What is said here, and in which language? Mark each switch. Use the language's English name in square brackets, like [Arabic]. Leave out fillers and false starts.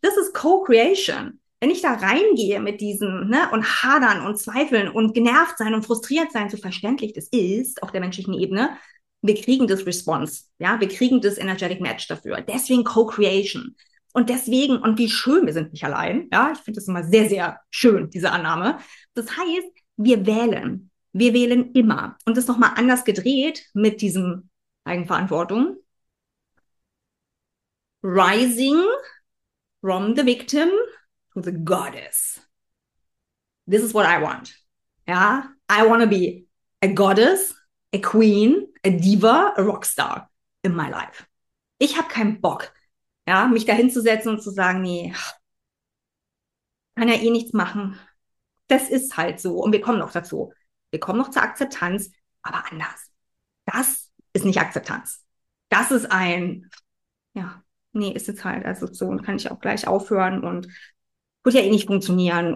[German] Das ist Co-Creation. Wenn ich da reingehe mit diesen, ne, und hadern und zweifeln und genervt sein und frustriert sein, so verständlich das ist, auf der menschlichen Ebene, wir kriegen das Response, ja, wir kriegen das Energetic Match dafür. Deswegen Co-Creation. Und deswegen, und wie schön, wir sind nicht allein, ja, ich finde das immer sehr, sehr schön, diese Annahme. Das heißt, wir wählen immer. Und das nochmal anders gedreht mit diesem Eigenverantwortung. [English] Rising from the victim to the goddess. This is what I want. Ja, I want to be a goddess, a queen, a diva, a rockstar in my life. [German] Ich habe keinen Bock, ja, mich da hinzusetzen und zu sagen, nee, kann ja eh nichts machen. Das ist halt so. Und wir kommen noch dazu. Wir kommen noch zur Akzeptanz, aber anders. Das ist nicht Akzeptanz. Das ist ein, ja, nee, ist jetzt halt also so und kann ich auch gleich aufhören und wird ja eh nicht funktionieren.